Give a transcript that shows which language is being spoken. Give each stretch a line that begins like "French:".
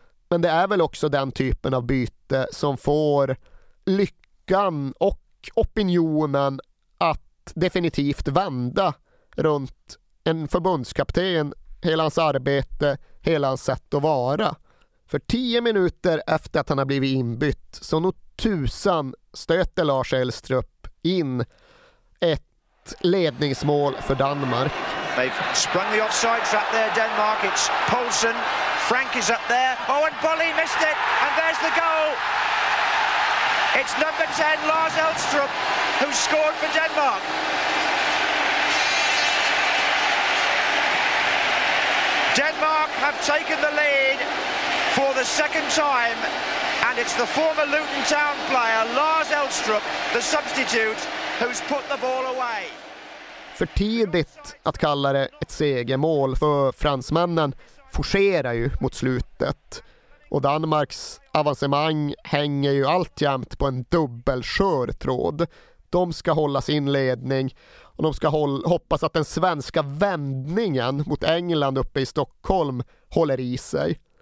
Swedish: Men det är väl också den typen av byte som får lyckan och opinionen att definitivt vända runt en förbundskapten, hela hans arbete, hela hans sätt att vara. För 10 minuter efter att han har blivit inbytt så nog tusan stöter Lars Elstrup in ett ledningsmål för Danmark.
English: They've sprung the offside trap there, Denmark. It's Poulsen. Frank is up there. Oh, and Bolli missed it. And there's the goal. It's number 10, Lars Elstrup, who scored for Denmark. Denmark have taken the lead for the second time. And it's the former Luton Town player, Lars Elstrup, the substitute, who's put the ball away.
Swedish: För tidigt att kalla det ett segermål, för fransmännen forcerar ju mot slutet. Och Danmarks avancemang hänger ju alltjämt på en dubbelskör tråd. De ska hålla sin ledning och de ska hoppas att den svenska vändningen mot England uppe i Stockholm håller i sig.